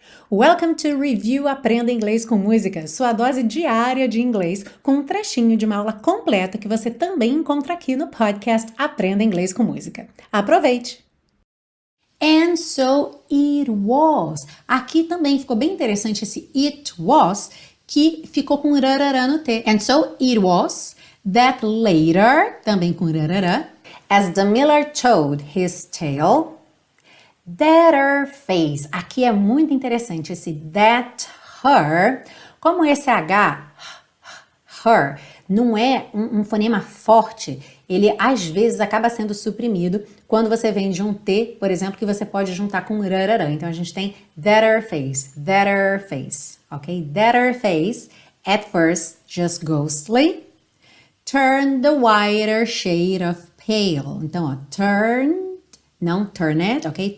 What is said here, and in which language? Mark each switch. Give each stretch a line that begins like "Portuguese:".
English: Welcome to
Portuguese: Review Aprenda Inglês com Música, sua dose diária de inglês, com um trechinho de uma aula completa que você também encontra aqui no podcast Aprenda Inglês com Música. Aproveite!
English: And so it was.
Portuguese: Aqui também ficou bem interessante esse
English: it was,
Portuguese: que ficou com rarará no T.
English: And so it was that later,
Portuguese: também com rarará,
English: as the miller told his tale, that her face.
Portuguese: Aqui é muito interessante esse
English: that her.
Portuguese: Como esse H, her, não é um fonema forte, ele às vezes acaba sendo suprimido quando você vem de um T, por exemplo, que você pode juntar com rarará. Então a gente tem
English: that her face,
Portuguese: ok?
English: That her face, at first, just ghostly, turned the whiter shade of pale.
Portuguese: Então, ó, turned, não turned, ok?